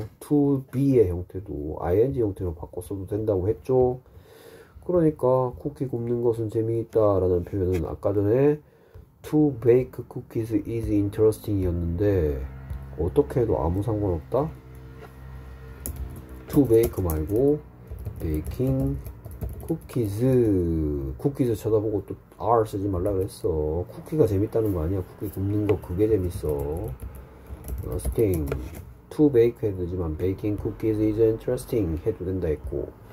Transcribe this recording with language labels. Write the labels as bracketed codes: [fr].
[ko] to be의 형태도 ing 형태로 바꿨어도 된다고 했죠. 그러니까 쿠키 굽는 것은 재미있다라는 표현은 아까 전에 [en] to bake cookies is interesting [ko] 이었는데 어떻게 해도 아무 상관없다? [en] to bake [ko] 말고 [en] baking cookies. [ko] 쿠키즈 쳐다보고 또 R 쓰지 말라 그랬어. 쿠키가 재밌다는 거 아니야. 쿠키 굽는 거 그게 재밌어. [en] interesting. [ko] to bake 해도 되지만 [en] baking cookies is interesting [ko] 해도 된다 했고.